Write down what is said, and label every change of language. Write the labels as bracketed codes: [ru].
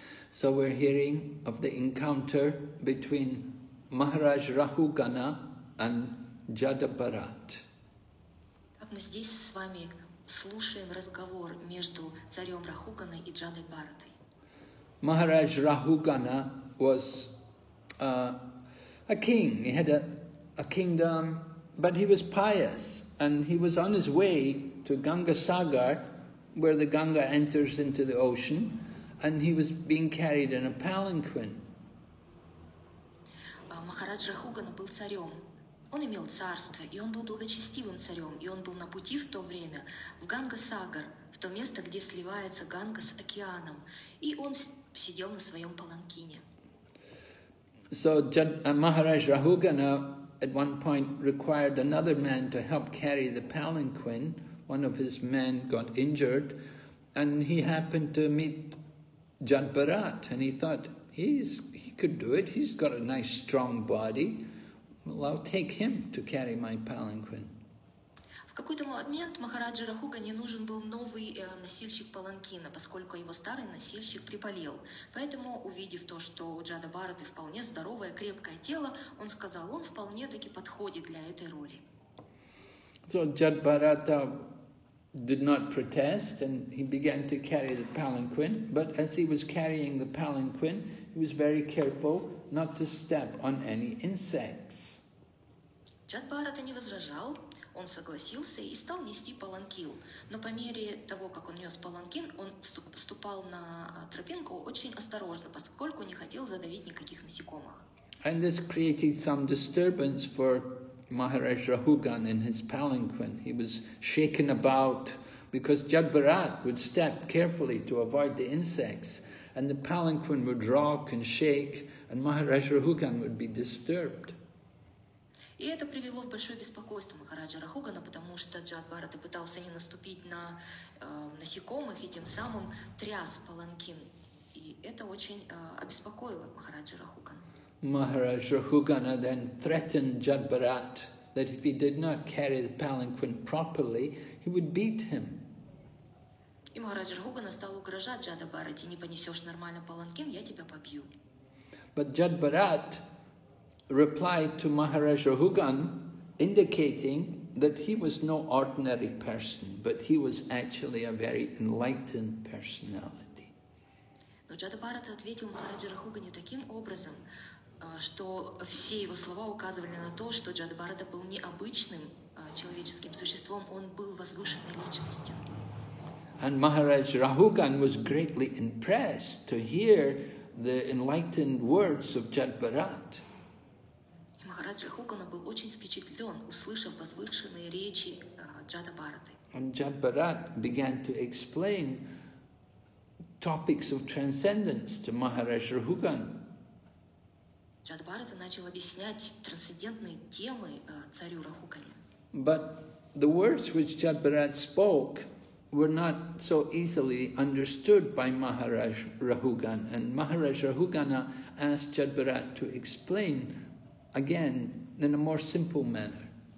[en] So we're hearing of the encounter between Maharaj Rahugana and Jadabharat. [ru] Как мы здесь с вами слушаем разговор между царем Рахуганой и Джадабаратой. [en] Maharaj Rahugana was a king. He had a kingdom, but he was pious, and he was on his way to Ganga Sagar, where the Ganga enters into the ocean, and he was being carried in a palanquin. [ru] Maharaj Rahugana был царем. Он имел царство, и он был благочестивым царем, и он был на пути в то время в Ганга Сагар, в то место, где сливается Ганга с океаном, и он сидел на своем паланкине. [en] So Maharaj Rahugana at one point required another man to help carry the palanquin. One of his men got injured, and he happened to meet Jadabharat, and he thought he could do it. He's got a nice strong body. Well, I'll take him to carry my palanquin. [ru] В какой-то момент Махараджа Рахугане нужен был новый носильщик паланкина, поскольку его старый носильщик приболел. Поэтому, увидев то, что у Джадабараты вполне здоровое, крепкое тело, он сказал, он вполне таки подходит для этой роли. [en] So Jadabharata did not protest, and he began to carry the palanquin. But as he was carrying the palanquin, he was very careful not to step on any insects. [ru] Джадабарата не возражал, он согласился и стал нести паланкин. Но по мере того, как он нес паланкин, он ступал на тропинку очень осторожно, поскольку не хотел задавить никаких насекомых. [en] And this created some disturbance for Maharaj Rahugan in his palanquin. He was shaken about because Jadabharat would step carefully to avoid the insects, and the palanquin would rock and shake, and Maharaj Rahugan would be disturbed. [ru] И это привело в большое беспокойство Махараджа Рахугана, потому что Джадабарата пытался не наступить на насекомых и тем самым тряс паланкин. И это очень обеспокоило Махараджа Рахугана. [en] Махарадж Рахугана then threatened Jadabharat that if he did not carry the palanquin properly, he would beat him. [ru] И Махараджа Рахугана стал угрожать Джадабарате: не понесешь нормально паланкин, я тебя побью. [en] But Jadabharat replied to Maharaj Rahugan, indicating that he was no ordinary person, but he was actually a very enlightened personality. [ru] Но Джада Бхарата ответил Махараджа Рахугани таким образом, что все его слова указывали на то, что Джада Бхарата был необычным человеческим существом, он был возвышенной личностью. [en] And Maharaj Rahugan was greatly impressed to hear the enlightened words of Jad Bharat. [ru] Maharaj Rahugan был очень впечатлен, услышав возвышенные речи Джада Бхараты. [en] And Jad Bharat began to explain topics of transcendence to Maharaj Rahugan. [ru] Джада Бхарата начал объяснять трансцендентные темы царю Рахугане. [en] But the words which Jad Bharat spoke were not so easily understood by Maharaj Rahugan, and Maharaj Rahugana asked Jad Bharat to explain again in a more simple manner.